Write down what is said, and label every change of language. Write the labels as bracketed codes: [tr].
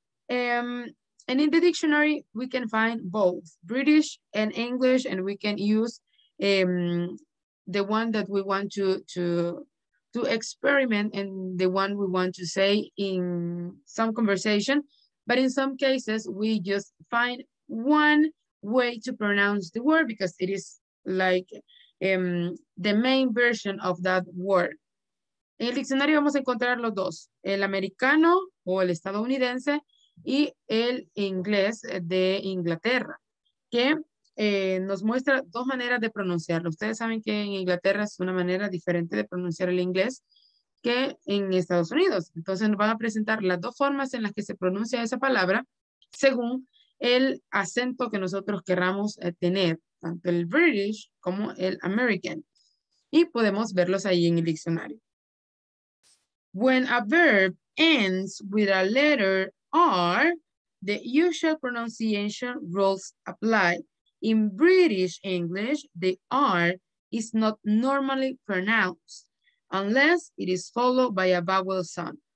[en] And in the dictionary, we can find both British and English, and we can use the one that we want to experiment and the one we want to say in some conversation. But in some cases, we just find one way to pronounce the word because it is like the main version of that word. [es] En el diccionario vamos a encontrar los dos, el americano o el estadounidense y el inglés de Inglaterra, que nos muestra dos maneras de pronunciarlo. Ustedes saben que en Inglaterra es una manera diferente de pronunciar el inglés que en Estados Unidos. Entonces nos van a presentar las dos formas en las que se pronuncia esa palabra según el acento que nosotros querramos tener, tanto el British como el American. Y podemos verlos ahí en el diccionario. [en] When a verb ends with a letter R, the usual pronunciation rules apply. In British English, the R is not normally pronounced unless it is followed by a vowel sound.